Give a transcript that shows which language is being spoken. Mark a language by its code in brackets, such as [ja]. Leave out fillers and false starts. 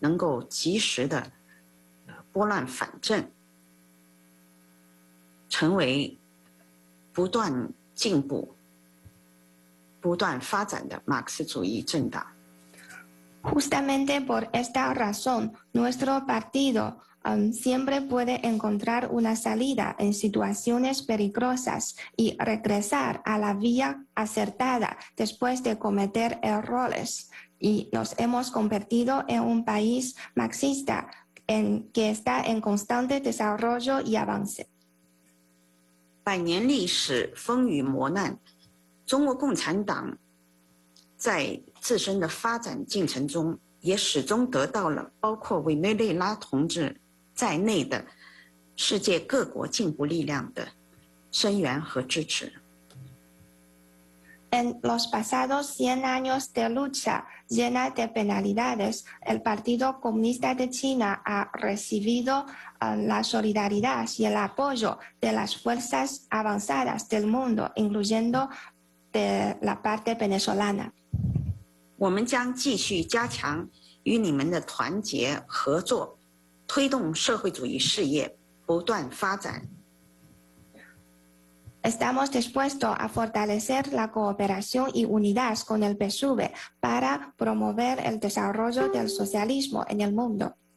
[zh] 正因为这样，我们党才能在遭遇各种困难、犯了错误之后，能够及时的拨乱反正。成为不断进步、不断发展的马克思主义政党。 [es] Justamente por esta razón, nuestro partido siempre puede encontrar una salida en situaciones peligrosas y regresar a la vía acertada después de cometer errores. Y nos hemos convertido en un país marxista en que está en constante desarrollo y avance. [zh] 百年历史风雨磨难，中国共产党在自身的发展进程中也始终得到了包括委内瑞拉同志在内的世界各国进步力量的声援和支持。 [es] En los pasados 100 años de lucha llena de penalidades, el Partido Comunista de China ha recibido la solidaridad y el apoyo de las fuerzas avanzadas del mundo, incluyendo de la parte venezolana. [zh] 我们将继续加强与你们的团结合作，推动社会主义事业不断发展。 [es] Estamos dispuestos a fortalecer la cooperación y unidad con el PSUV para promover el desarrollo del socialismo en el mundo.